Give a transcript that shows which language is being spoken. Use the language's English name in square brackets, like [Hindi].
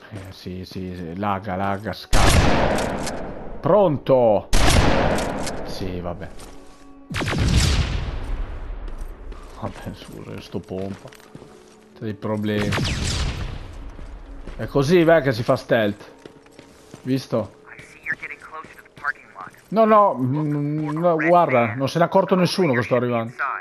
[Italian] Sì. Laga, scappa. Pronto! Sì, vabbè. Vabbè, scusa, sto pompa. C'è dei problemi. È così, beh, che si fa stealth. Visto? [English] I see you're getting close to the parking lot. [Italian] No, no, no, guarda, non se n'è accorto nessuno che sto arrivando.